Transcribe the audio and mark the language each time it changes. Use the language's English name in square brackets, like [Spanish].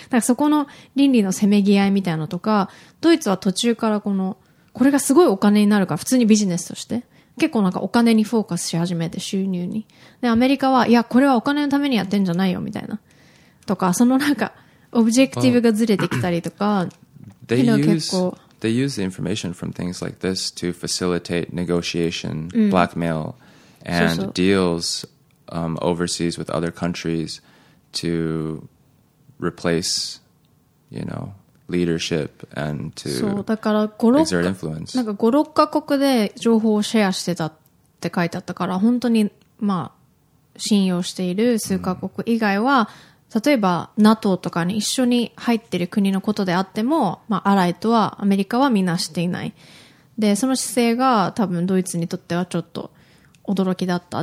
[Japanese] だからそこの倫理のせめぎ合いみたいなのとか、ドイツは途中からこのこれがすごいお金になるから普通にビジネスとして結構なんかお金にフォーカスし始めて収入に。で、アメリカは、いや、これはお金のためにやってんじゃないよ、みたいな。とか、そのなんか、オブジェクティブがずれてきたりとか、 [English] well, you know, [Japanese] 結構。 [English] They use the information from things like this to facilitate negotiation,、うん、blackmail, and そうそう deals、overseas with other countries to replace, you know,leadership and to exert influence. [Japanese] なんか5、6カ国で情報をシェアしてたって書いてあったから本当にまあ信用している数カ国以外は、例えば NATO とかに一緒に入ってる国のことであっても、まあアライとはアメリカはみんなしていない。で、その姿勢が多分ドイツにとってはちょっと驚きだった。